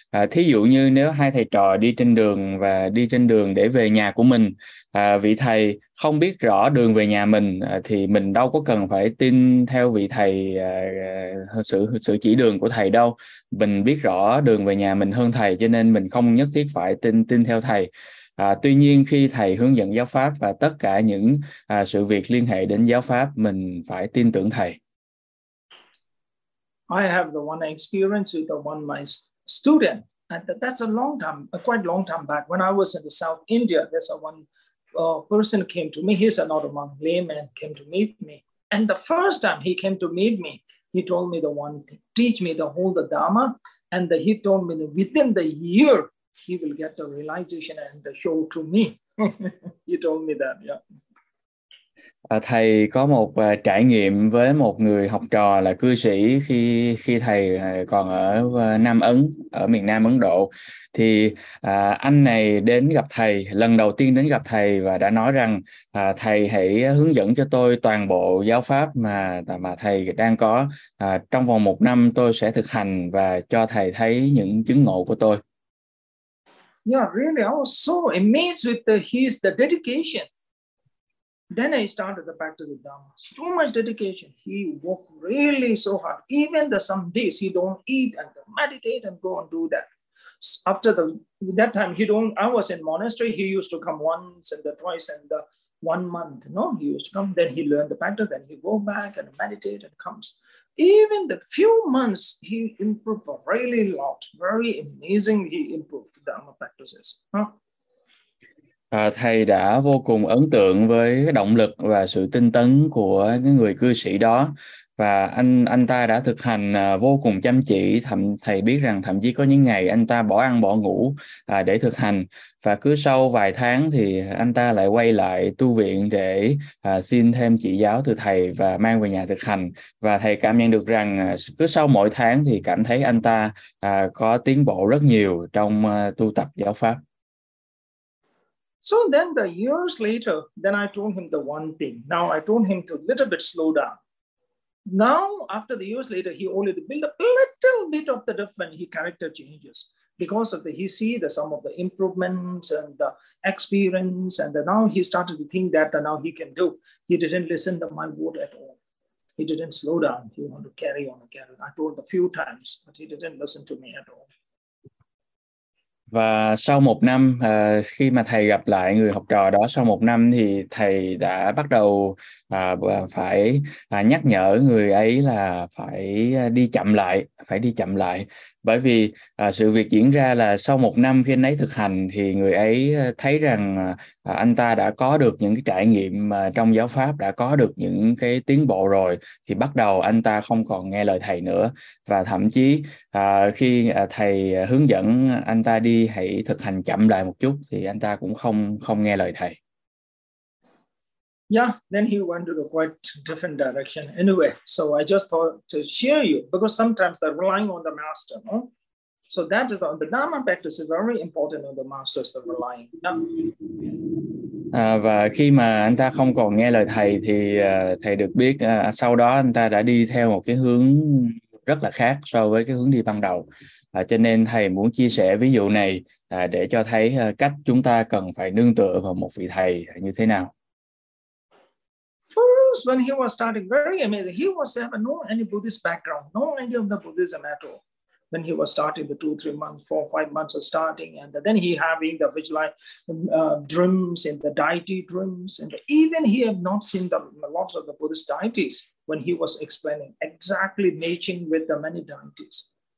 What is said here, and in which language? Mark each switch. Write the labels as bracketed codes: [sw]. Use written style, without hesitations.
[vi] Thí dụ như nếu hai thầy trò đi trên đường và đi trên đường để về nhà của mình, vị thầy không biết rõ đường về nhà mình, thì mình đâu có cần phải tin theo vị thầy sự chỉ đường của thầy đâu. Mình biết rõ đường về nhà mình hơn thầy, cho nên mình không nhất thiết phải tin theo thầy. Tuy nhiên khi thầy hướng dẫn giáo pháp và tất cả những sự việc liên hệ đến giáo pháp, mình phải tin tưởng thầy. [en] I have the one experience with the one my student, and that's a long time, quite long time back when I was in the South India. There's a one person came to me. He's another monk, layman, came to meet me. And the first time he came to meet me, he told me the one teach me the whole the Dharma. And he told me that within the year, he will get the realization and the show to me. He told me that, yeah. [vi] Thầy có một trải nghiệm với một người học trò là cư sĩ khi thầy còn ở Nam Ấn, ở miền Nam Ấn Độ. Thì anh này đến gặp thầy, lần đầu tiên đến gặp thầy và đã nói rằng thầy hãy hướng dẫn cho tôi toàn bộ giáo pháp mà thầy đang có. Trong vòng một năm tôi sẽ thực hành và cho thầy thấy những chứng ngộ của tôi. [en] Yeah, really, I was so amazed with his dedication. Then I started the practice of Dharma. So much dedication. He worked really so hard. Even the some days he don't eat and meditate and go and do that. After that time, I was in monastery. He used to come once and twice and one month. No, he used to come. Then he learned the practice. Then he go back and meditate and comes. Even the few months, he improved really a lot. Very amazing. He improved Dharma practices. Huh? [vi] Thầy đã vô cùng ấn tượng với động lực và sự tinh tấn của cái người cư sĩ đó. Và anh ta đã thực hành vô cùng chăm chỉ. Thầy biết rằng thậm chí có những ngày anh ta bỏ ăn bỏ ngủ để thực hành. Và cứ sau vài tháng thì anh ta lại quay lại tu viện để xin thêm chỉ giáo từ thầy và mang về nhà thực hành. Và thầy cảm nhận được rằng cứ sau mỗi tháng thì cảm thấy anh ta có tiến bộ rất nhiều trong tu tập giáo pháp. [en] So then the years later, then I told him the one thing. Now I told him to a little bit slow down. Now, after the years later, he only build up a little bit of the difference. His character changes because of he see the some of the improvements and the experience. And now he started to think that now he can do. He didn't listen to my word at all. He didn't slow down. He wanted to carry on again. I told a few times, but he didn't listen to me at all. [vi] Và sau một năm, khi mà thầy gặp lại người học trò đó sau một năm thì thầy đã bắt đầu phải nhắc nhở người ấy là phải đi chậm lại, phải đi chậm lại. Bởi vì sự việc diễn ra là sau một năm khi anh ấy thực hành thì người ấy thấy rằng anh ta đã có được những cái trải nghiệm trong giáo pháp, đã có được những cái tiến bộ rồi, thì bắt đầu anh ta không còn nghe lời thầy nữa. Và thậm chí khi thầy hướng dẫn anh ta đi hãy thực hành chậm lại một chút thì anh ta cũng không nghe lời thầy. [en] Yeah, then he went to a quite different direction. Anyway, so I just thought to share you, because sometimes they're relying on the master. No? So that is on the Dhamma practice is very important on the masters that relying. Yeah. [vi] Và khi mà anh ta không còn nghe lời thầy thì thầy được biết sau đó anh ta đã đi theo một cái hướng rất là khác so với cái hướng đi ban đầu. Cho nên thầy muốn chia sẻ ví dụ này để cho thấy cách chúng ta cần phải nương tựa vào một vị thầy như thế nào. [en] First, when he was starting, very amazing. He was having no any Buddhist background, no idea of the Buddhism at all. When he was starting the 2-3 months, 4-5 months of starting, and then he having the visualized dreams and the deity dreams, and even he had not seen the lots of the Buddhist deities when he was explaining exactly matching with the many deities.